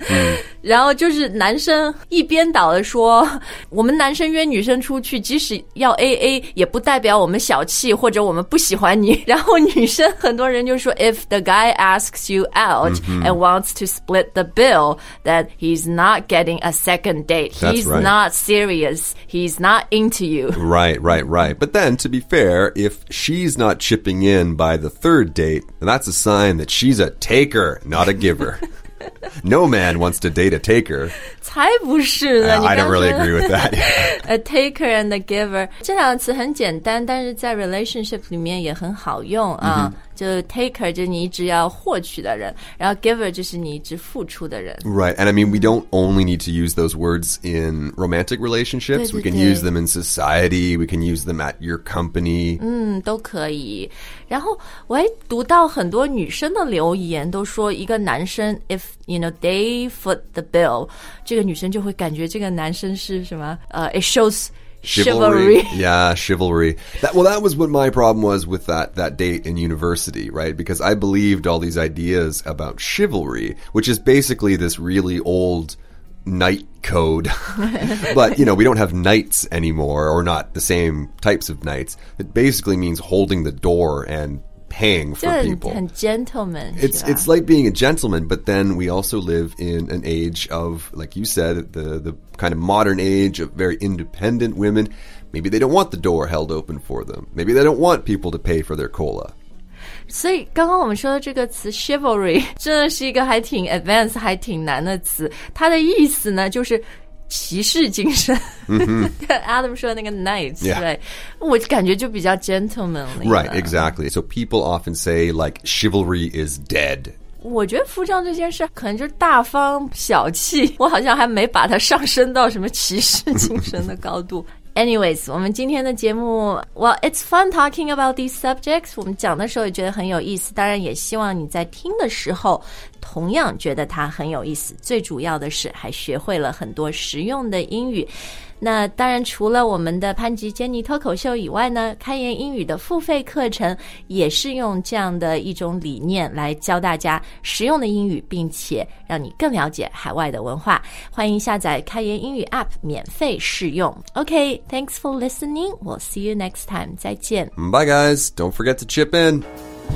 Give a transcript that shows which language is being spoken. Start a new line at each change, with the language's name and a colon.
Chinese: mm-hmm. ，然后就是男生一边倒的说，我们男生约女生出去，即使要 AA， 也不代表我们小气或者我们不喜欢你。然后女生很多人就说 ，
English: if the guy asks you out、 mm-hmm. and wants to split the bill， that he's not getting a second date， he's、right. not serious。 He's not into you. Right, right, right. But then, to be fair, if she's not chipping in by the third date, then that's a sign that she's a taker, not a giver. No man wants to date a taker.
Chinese: 才不是呢。
English: I don't really agree with that. A taker and a giver.
Chinese: 这两个词很简单，但是在 relationship 里面也很好用啊。就 taker 就是你一直要获取的人，然后 giver 就是你一直付出的人。
English: Right, and I mean, we don't only need to use those words in romantic relationships.
Chinese: 对对对
English: we can use them in society. We can use them at your company.
Chinese: 嗯，都可以。然后我还读到很多女生的留言，都说一个男生
English: if you know they foot the bill,
Chinese: 这个女生就会感觉这个男生是什么？
English: It shows. Chivalry. Yeah, chivalry. That was what my problem was with that date in university, right? Because I believed all these ideas about chivalry, which is basically this really old knight code. But, you know, we don't have knights anymore, or not the same types of knights. It basically means holding the door and paying for people.
Chinese: 很 gentleman.
English: It's like being a gentleman, but then we also live in an age of, like you said, the kind of modern age of very independent women. Maybe they don't want the door held open for them. Maybe they don't want people to pay for their cola.
Chinese: 所以刚刚我们说的这个词 chivalry 真的是一个还挺 advanced 还挺难的词，它的意思呢就是骑士精神、 mm-hmm. Adam 说的那个 knights、
English: yeah. right?
Chinese: 我感觉就比较 gentlemanly
English: Right, exactly. So people often say like chivalry is dead.
Chinese: 我觉得服装这件事可能就是大方小气，我好像还没把它上升到什么骑士精神的高度。
English: Anyways,
Chinese: 我们今天的节目
English: Well, it's fun talking about these subjects.
Chinese: 我们讲的时候也觉得很有意思，当然也希望你在听的时候同样觉得它很有意思，最主要的是还学会了很多实用的英语。那当然除了我们的潘吉杰尼脱口秀以外呢，开言英语的付费课程也是用这样的一种理念来教大家实用的英语，并且让你更了解海外的文化。欢迎下载开言英语 APP 免费试用。
English: OK, thanks for listening. We'll see you next time.
Chinese: 再见。
English: Bye guys, don't forget to chip in.